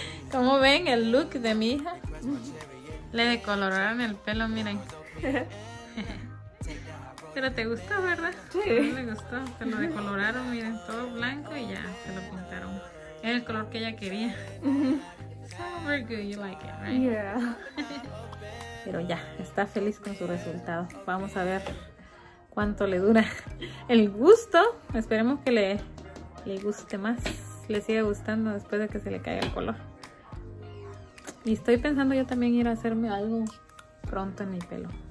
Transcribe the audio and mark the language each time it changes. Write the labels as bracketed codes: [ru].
[es] ¿Cómo ven el look de mi hija? Le decoloraron el pelo, miren. Pero te gustó, ¿verdad? Sí. Le gustó. Se lo decoloraron, miren, todo blanco y ya se lo pintaron. Era el color que ella quería. [en] Oh, we're good, you like it, right? Yeah. [es] Pero ya, está feliz con su resultado. Vamos a ver cuánto le dura el gusto. Esperemos que le guste más. Le siga gustando después de que se le caiga el color. Y estoy pensando yo también ir a hacerme algo pronto en mi pelo.